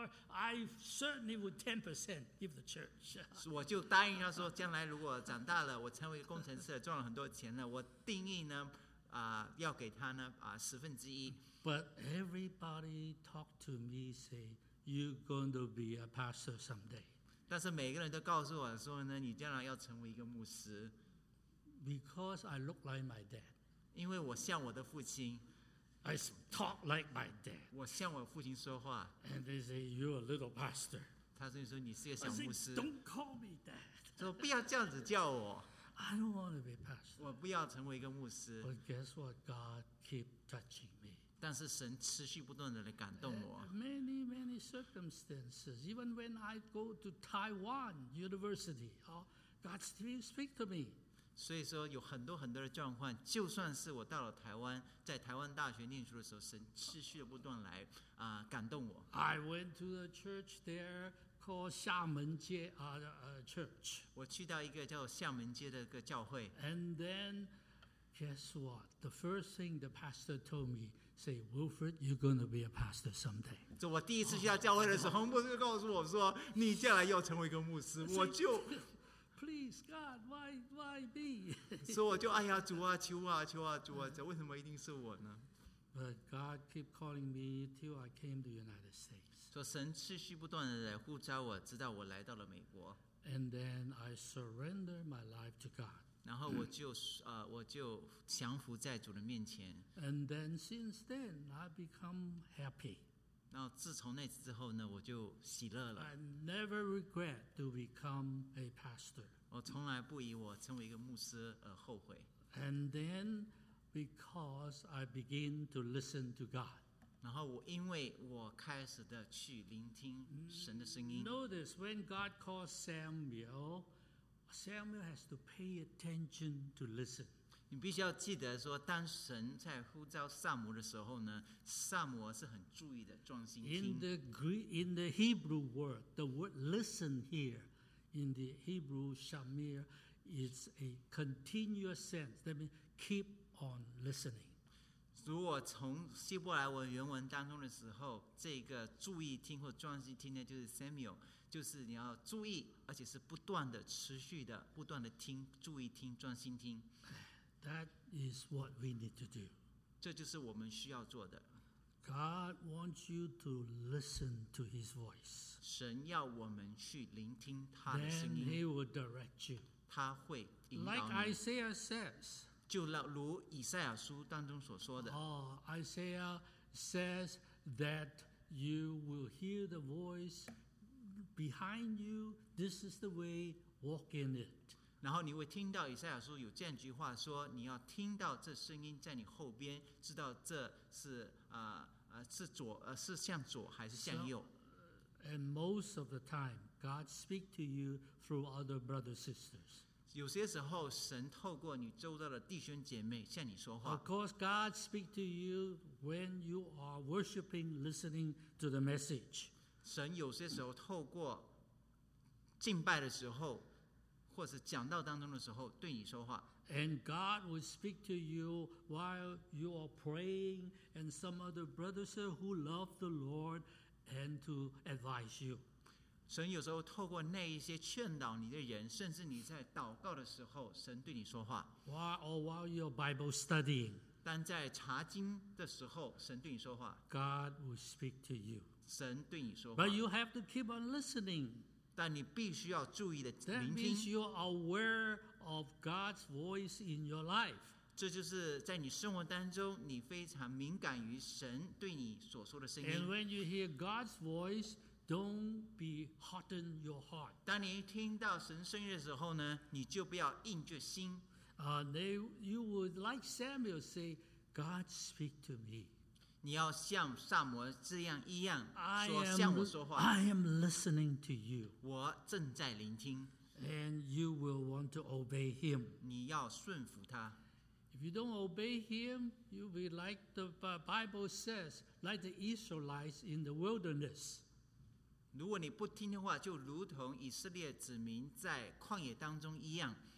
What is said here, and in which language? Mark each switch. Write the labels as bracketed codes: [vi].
[en] I certainly would 10% give the church. [zh] 我就答应他说，将来如果长大了，我成为工程师，赚了很多钱了，我定义呢，要给他呢，十分之一。 [en] But everybody talk to me say you're going to be a pastor someday. [zh] 但是每个人都告诉我说呢，你将来要成为一个牧师。 [en] Because I look like my dad. [zh] 因为我像我的父亲。 [en] I talk like my dad. [zh] 我像我父亲说话。 [en] And they say you're a little pastor. [zh] 他所以说你是个小牧师。 [en] I say, don't call me dad. [zh] 说不要这样子叫我。 [en] I don't want to be a pastor. [zh] 我不要成为一个牧师。 [en] But guess what? God keep touching me. [zh] 但是神持续不断地感动我。 [en] Many, many circumstances. Even when I go to Taiwan University, God still speak to me. [zh] 所以说有很多很多的状况，就算是我到了台湾，在台湾大学念书的时候，神持续不断来感动我。 [en] I went to a church there called 厦门街 church. [zh] 我去到一个叫厦门街的一个教会。 [en] And then, guess what? The first thing the pastor told me. Say, Wilfred, you're going to be a pastor someday. [zh] 就我第一次去到教会的时候，牧师就告诉我说，你将来要成为一个牧师。我就 [en] ，Please, God, why me? [zh] 所以我就哎呀，主啊，求啊，求啊，主啊，这为什么一定是我呢 [en] ？But God keep calling me till I came to the United States. [zh] 说神持续不断的在呼召我，直到我来到了美国。 [en] And then I surrender my life to God. [zh] 然后我就降服在主的面前。 [en] And then since then I become happy. [zh] 然后自从那次之后呢，我就喜乐了。 [en] I never regret to become a pastor. [zh] 我从来不以我成为一个牧师而后悔。 [en] And then because I begin to listen to God. [zh] 然后我因为我开始的去聆听神的声音。 [en] Notice when God calls Samuel. Samuel has to pay attention to listen. [zh] 你必须要记得说，当神在呼召撒母的时候呢，撒母是很注意的，专心听。 [en] In the Hebrew word, the word listen here, in the Hebrew shamir, is a continuous sense. That means keep on listening. [zh] 如果从希伯来文原文当中的时候，这个注意听或专心听的就是 Samuel。就是你要注意，而且是不断的、持续的、不断的听、注意听、专心听。 [en] That is what we need to do. [zh] 这就是我们需要做的。 [en] God wants you to listen to His voice. [zh] 神要我们去聆听他的声音。 [en] Then He will direct you. [zh] 他会引导你。 [en] Like Isaiah says. [zh] 就如以赛亚书当中所说的。 [en] Isaiah says that you will hear the voice. Behind you, this is the way, walk in it. [zh] 然后你会听到以赛亚书有这样一句话说，你要听到这声音在你后边，知道这是是左是向左还是向右。 [en] And most of the time, God speaks to you through other brothers and sisters. [zh] 有些时候神透过你周遭的弟兄姐妹向你说话。 [en] Of course, God speaks to you when you are worshiping, listening to the message. [zh] 神有些时候透过敬拜的时候，或是讲道当中的时候，对你说话。 [en] And God will speak to you while you are praying, and some other brothers who love the Lord, and to advise you. [zh] 神有时候透过那一些劝导你的人，甚至你在祷告的时候，神对你说话。 [en] While you are Bible studying, [zh] 当在查经的时候，神对你说话。 [en] God will speak to you. [zh] 神对你说话。 [en] But you have to keep on listening. [zh] 但你必须要注意的聆听。 [en] That means you are aware of God's voice in your life. [zh] 这就是在你生活当中，你非常敏感于神对你所说的声音。 [en] And when you hear God's voice, don't be harden your heart. [zh] 当你听到神声音的时候呢，你就不要硬着心。 [en] You would like Samuel say, God speak to me. [zh] 你要像撒摩这样一样说，向我说话。 [en] I am listening to you. [zh] 我正在聆听。 [en] And you will want to obey him. [zh] 你要顺服他。 [en] If you don't obey him, you'll be like the Bible says, like the Israelites in the wilderness. [zh] 如果你不听的话，就如同以色列子民在旷野当中一样。